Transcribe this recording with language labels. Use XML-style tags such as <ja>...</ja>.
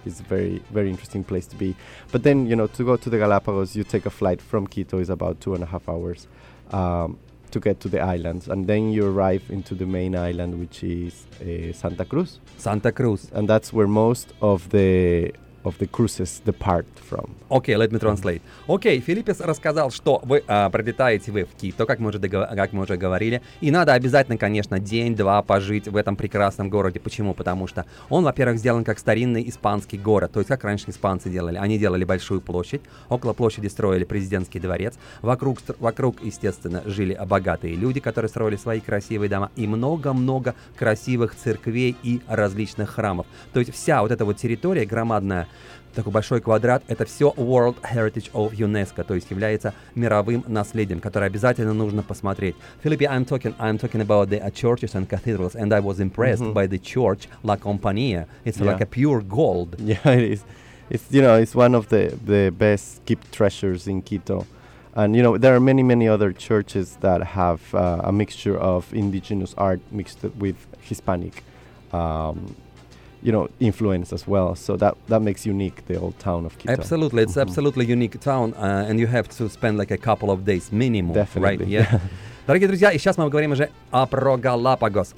<en>It's a very, very interesting place to be. But then, you know, to go to the Galapagos, you take a flight from Quito. It's about 2.5 hours to get to the islands. And then you arrive into the main island, which is Santa Cruz. Santa Cruz. And that's where most of the cruises depart from. Okay, let me translate.</en> <ru>Okay, Филиппис рассказал, что вы прилетаете вы в Кито, как мы уже говорили, и надо обязательно, конечно, день-два пожить в этом прекрасном городе. Почему? Потому что он, во-первых, сделан как старинный испанский город, то есть как раньше испанцы делали. Они делали большую площадь, около площади строили президентский дворец, вокруг, естественно, жили богатые люди, которые строили свои красивые дома, и много-много красивых церквей и различных храмов. То есть вся вот эта вот территория громадная, такой большой квадрат, это все</ru> <en>World Heritage of UNESCO,</en> <ru>то есть является мировым наследием, которое обязательно нужно посмотреть.</ru> <en>Филиппе, I'm talking about the churches and cathedrals, and I was impressed by the church La Compañía. It's like a pure gold. Yeah, it is. It's, you know, it's one of the best kept treasures in Quito. And, you know, there are many, many other churches that have a mixture of indigenous art mixed with Hispanic influence as well, so that makes unique the old town of Quito. Absolutely, it's absolutely unique town, and you have to spend like a couple of days minimum. Definitely. Right? Yeah.</en> <ru>Дорогие друзья, и сейчас мы говорим уже о про Галапагос.</ru>